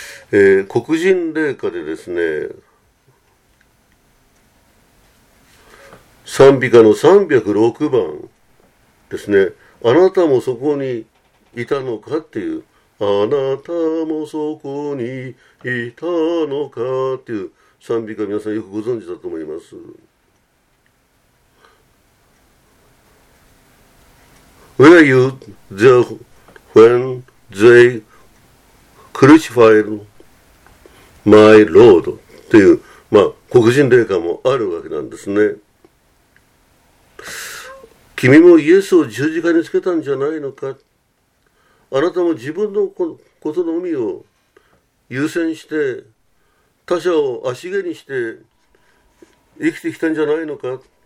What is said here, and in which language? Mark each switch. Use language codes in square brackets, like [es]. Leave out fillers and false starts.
[ja] 黒人霊歌でですね、賛美歌の306番ですね、あなたもそこにいたのかっていう、あなたもそこにいたのかっていう賛美歌、皆さんよくご存知だと思います。 [en] Were you there when they crucified my Lord? [ja] という、まあ、黒人霊歌もあるわけなんですね。君もイエスを十字架につけたんじゃないのか。あなたも自分のことのみを優先して、他者を足蹴にして生きてきたんじゃないのか。